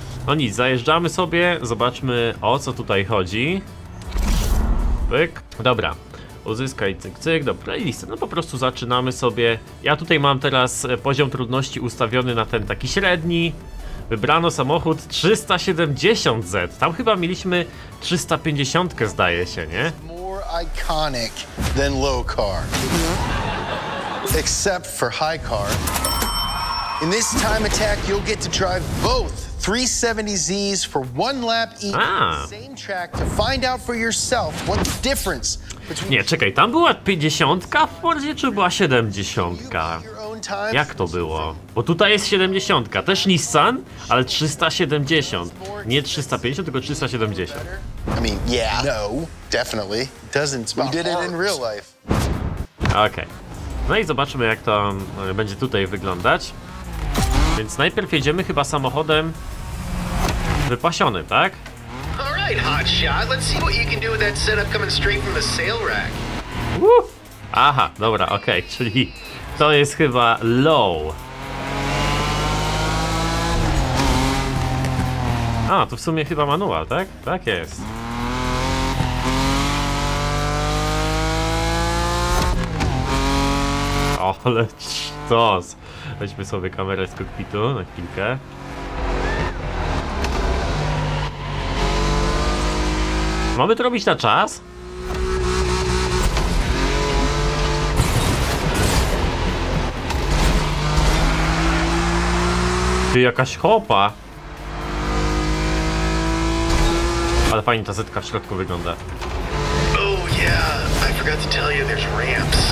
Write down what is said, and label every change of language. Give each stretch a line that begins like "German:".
Polish: No nic, zajeżdżamy sobie, zobaczmy o co tutaj chodzi. Pyk. Dobra, uzyskaj cyk cyk, dobra, i listę. No po prostu zaczynamy sobie. Ja tutaj mam teraz poziom trudności ustawiony na ten taki średni. Wybrano samochód 370Z. Tam chyba mieliśmy 350, zdaje się, nie?
English: More iconic than low car. Except for high car. In this time attack you'll get to drive both 370Zs for one lap each on the same track to find out for yourself what the difference between...
Polish: Nie, czekaj, tam była 50 w Fordzie, czy była 70? Jak to było? Bo tutaj jest 70, też Nissan, ale 370. Nie 350, tylko 370.
English: I mean, yeah. No, definitely. Doesn't smell. We did it in real life.
Polish: Okej. No i zobaczymy, jak to będzie tutaj wyglądać. Więc najpierw jedziemy chyba samochodem wypasionym, tak?
English: Alright, hotshot. Let's see what you can do with that setup coming straight from the sail rack.
Polish: Aha, dobra, okej, okay, czyli to jest chyba low. A, to w sumie chyba manual, tak? Tak jest. O, lecz to. Weźmy sobie kamerę z kokpitu na chwilkę. Mamy to robić na czas? Ty, jakaś hopa! Ale fajnie ta zetka w środku wygląda.
English: Oh yeah, I forgot to tell you, there's ramps.